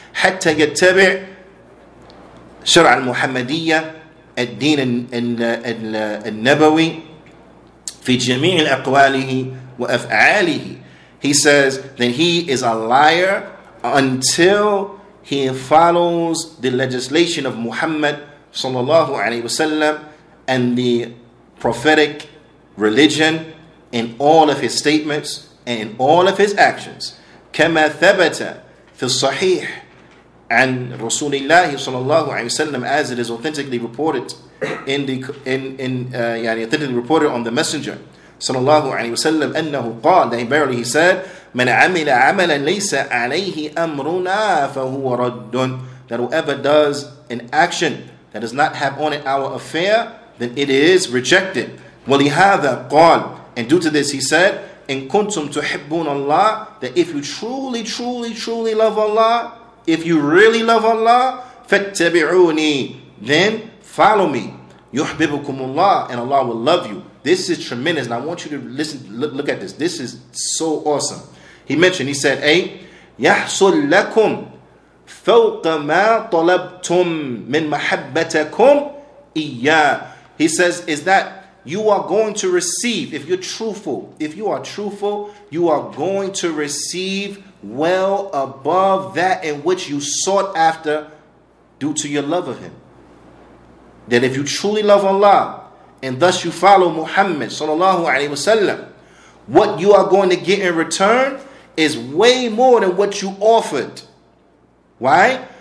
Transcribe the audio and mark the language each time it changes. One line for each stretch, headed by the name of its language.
Arabic: حتى يتبع شرع المحمدية الدين النبوي في جميع أقواله وأفعاله.
English: He says that he is a liar until he follows the legislation of Muhammad sallallahu alaihi wasallam and the prophetic religion in all of his statements and in all of his actions.
Arabic: كما ثبت في الصحيح عن رسول الله صلى الله عليه وسلم,
English: as it is authentically reported authentically reported on the messenger
Arabic: صلى الله عليه وسلم, أنه قال,
English: that verily he said,
Arabic: من عمل عملا ليس عليه أمرنا فهو رد,
English: that whoever does an action that does not have on it our affair, then it is rejected.
Arabic: ولهذا قال,
English: and due to this he said,
Arabic: إن كنتم تحبون الله,
English: that if you truly truly truly love Allah, if you really love Allah,
Arabic: فاتبعوني,
English: then follow me.
Arabic: يحببكم الله,
English: and Allah will love you. This is tremendous. And I want you to listen, look at this. This is so awesome. He mentioned, he said,
Arabic: أي يحصل لكم فوق ما طلبتم من محبتكم إياه.
English: He says, is that you are going to receive, if you are truthful, you are going to receive well above that in which you sought after due to your love of him. That if you truly love Allah and thus you follow Muhammad sallallahu alaihi wasallam, what you are going to get in return is way more than what you offered. Why?